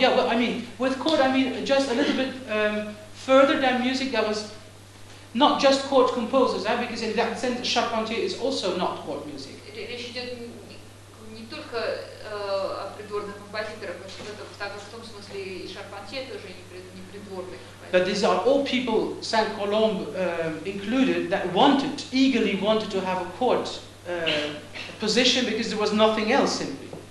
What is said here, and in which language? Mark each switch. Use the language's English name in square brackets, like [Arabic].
[English] yeah, but I mean, with court, I mean, just a little bit further than music that was not just court composers, eh? Because in that sense, Charpentier is also not court music. [Russian] Речь идет не только о придворных композиторах, так в том смысле и Charpentier тоже не придворный. [English] But these are all people, Saint-Colombe included, that wanted, eagerly wanted to have a court position because there was nothing else simply.